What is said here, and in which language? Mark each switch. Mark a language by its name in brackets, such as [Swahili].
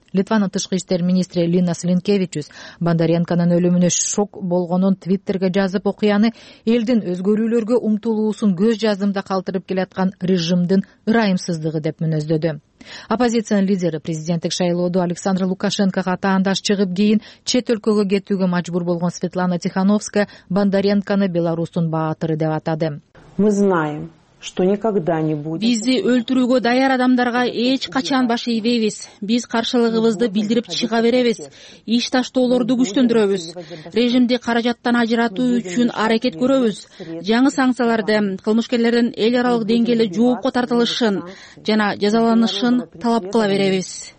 [Kyrgyz] Литванын тышкы иштер министри Линас Линкевичус Бондаренконун өлүмүнө шок болгонун Твиттерге жазып, окуяны элдин өзгөрүүлөргө умтулуусун көз жазымда калтырып келаткан режимдин ырайымсыздыгы деп мүнөздөдү. Оппозициянын лидери президенттик шайлоодо Александр Лукашенкога атаандаш чыгып, кийин чет өлкөгө кетүүгө мажбур болгон Светлана Тихановская Бондаренкону Беларусьтун баатыры деп атады. [Russian] Мы знаем, что никогда не будет. [Kyrgyz] Бизди өлтүрүүгө даяр адамдарга эч качан баш ийбейбиз. Биз каршылыгыбызды билдирип чыга беребиз. Иш таштоолорду күчтөндүрөбүз. Режимди каражаттан ажыратуу үчүн аракет көрөбүз. Жаңы санкцияларды кылмышкерлердин эл аралык деңгээлде жоопко тартылышын жана жазаланышын талап кыла беребиз.